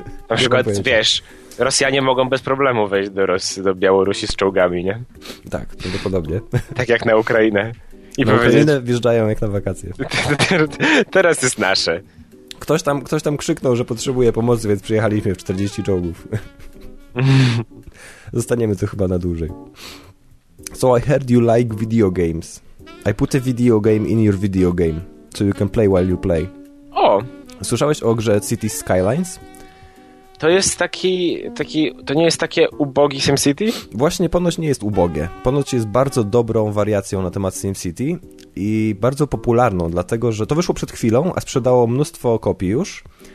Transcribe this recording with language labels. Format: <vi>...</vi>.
<pl>Na przykład, wiesz, Rosjanie mogą bez problemu wejść do Białorusi z czołgami, nie? Tak, prawdopodobnie. Tak jak na Ukrainę. I Ukrainę wjeżdżają jak na wakacje. Teraz jest nasze. Ktoś tam krzyknął, że potrzebuje pomocy, więc przyjechaliśmy w 40 czołgów. Zostaniemy tu chyba na dłużej.</pl> <en>So I heard you like video games. I put a video game in your video game, so you can play while you play.</en> <pl>O! Słyszałeś o grze Cities Skylines? To jest taki... To nie jest takie ubogi SimCity? Właśnie, ponoć nie jest ubogie. Ponoć jest bardzo dobrą wariacją na temat SimCity i bardzo popularną, dlatego że to wyszło przed chwilą, a sprzedało mnóstwo kopii już.</pl>